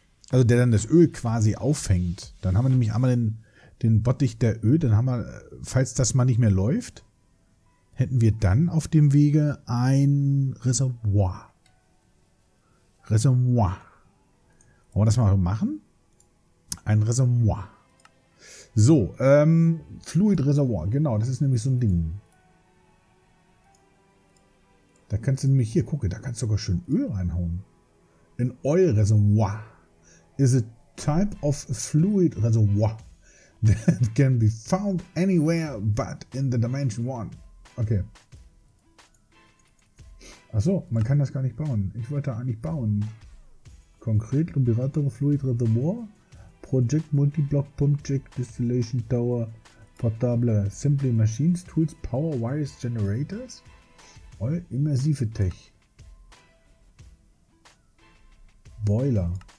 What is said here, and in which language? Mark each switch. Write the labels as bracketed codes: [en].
[de] Also der dann das Öl quasi auffängt. Dann haben wir nämlich einmal den Bottich der Öl, dann haben wir, falls das mal nicht mehr läuft, hätten wir dann auf dem Wege ein Reservoir. Reservoir. Wollen wir das mal machen? Ein Reservoir. So, Fluid Reservoir, genau, das ist nämlich so ein Ding. Da kannst du nämlich, hier, gucke, da kannst du sogar schön Öl reinhauen. [en] In Oil Reservoir. Is a type of fluid reservoir that can be found anywhere but in the Dimension 1. Okay. [de] Achso, man kann das gar nicht bauen. Ich wollte eigentlich bauen. Konkret und Beratung Fluid Reservoir. [en] Project Multi-Block Pump Jack Distillation Tower Portable Simply Machines Tools Power Wires Generators Oil Immersive Tech Boiler.